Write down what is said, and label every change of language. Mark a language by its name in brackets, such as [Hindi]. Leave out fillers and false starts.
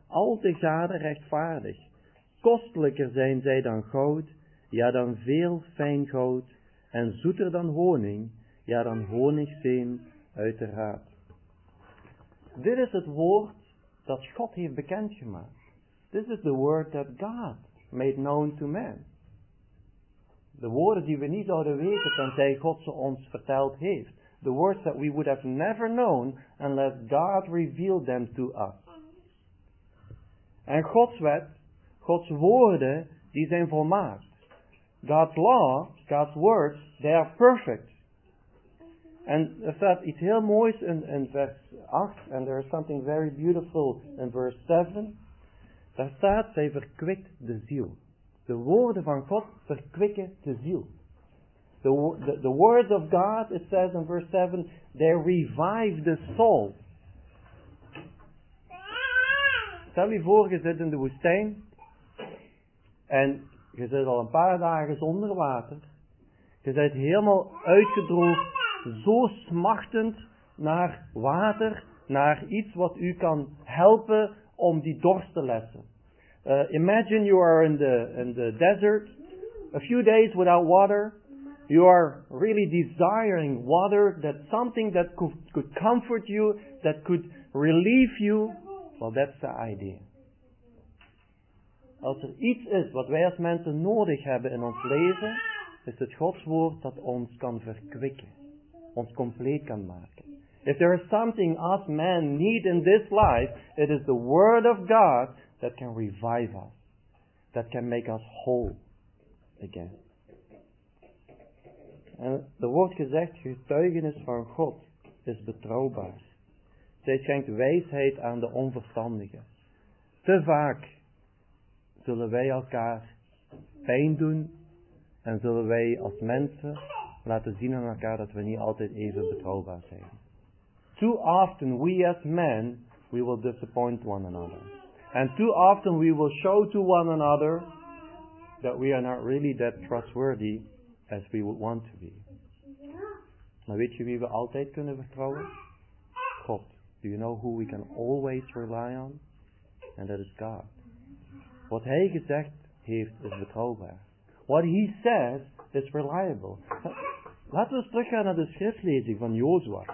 [Dutch] al te gade rechtvaardig. Kostelijker zijn zij dan goud, ja dan veel fijn goud, en zoeter dan honing, ja dan honigsteen uiteraard. Dit is het woord dat God heeft bekendgemaakt. [English] This is the word that God made known to man. [Dutch] De woorden die we niet zouden weten tenzij God ze ons verteld heeft. [English] The words that we would have never known unless God revealed them to us. [Dutch] En Gods wet, Gods woorden, die zijn volmaakt. [English] God's law, God's words, they are perfect. [Dutch] En er staat iets heel moois in vers 8, [English] and there is something very beautiful in verse 7. [Dutch] Daar staat, zij verkwikt de ziel. De woorden van God verkwikken de ziel. [English] The words of God, it says in verse 7, they revive the soul. [Dutch] Stel je voor, je zit in de woestijn en je zit al een paar dagen zonder water. Je bent helemaal uitgedroogd, zo smachtend naar water, naar iets wat u kan helpen om die dorst te lessen. [English] Imagine you are in the desert, a few days without water. You are really desiring water, that something that could comfort you, that could relieve you. Well, that's the idea. [Dutch] Als er iets is wat wij als mensen nodig hebben in ons leven, is het Gods woord dat ons kan verkwikken, ons compleet kan maken. [English] If there is something us men need in this life, it is the word of God that can revive us, that can make us whole again. [Dutch] En er wordt gezegd, getuigenis van God is betrouwbaar. Zij schenkt wijsheid aan de onverstandigen. Te vaak zullen wij elkaar pijn doen en zullen wij als mensen laten zien aan elkaar dat we niet altijd even betrouwbaar zijn. [English] Too often we as men, we will disappoint one another. And too often we will show to one another that we are not really that trustworthy as we would want to be. [Dutch] Maar weet je wie we altijd kunnen vertrouwen? God. [English] Do you know who we can always rely on? And that is God. [Dutch] Wat hij gezegd heeft is betrouwbaar. [English] What he says is reliable. [Dutch] Laten we teruggaan naar de schriftlezing van Joshua.